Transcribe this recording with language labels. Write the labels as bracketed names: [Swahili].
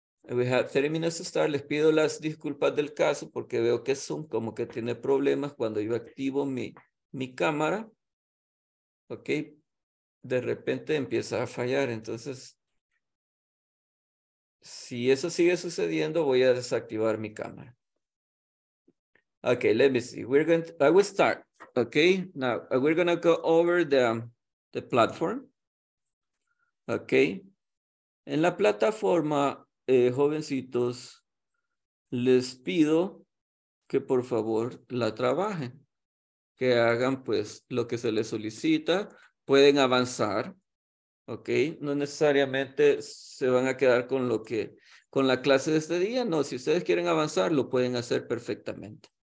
[English] We have 30 minutes to start. [Spanish] Les pido las disculpas del caso porque veo que Zoom como que tiene problemas cuando yo activo mi cámara. Ok. De repente empieza a fallar. Entonces, si eso sigue sucediendo, voy a desactivar mi cámara. [English] Ok, let me see. I will start. Ok. Now, we're going to go over the platform. Ok. [Spanish] En la plataforma, jovencitos, les pido que por favor la trabajen, que hagan pues lo que se les solicita, pueden avanzar, ok, no necesariamente se van a quedar con lo que, con la clase de este día, no, si ustedes quieren avanzar, lo pueden hacer perfectamente.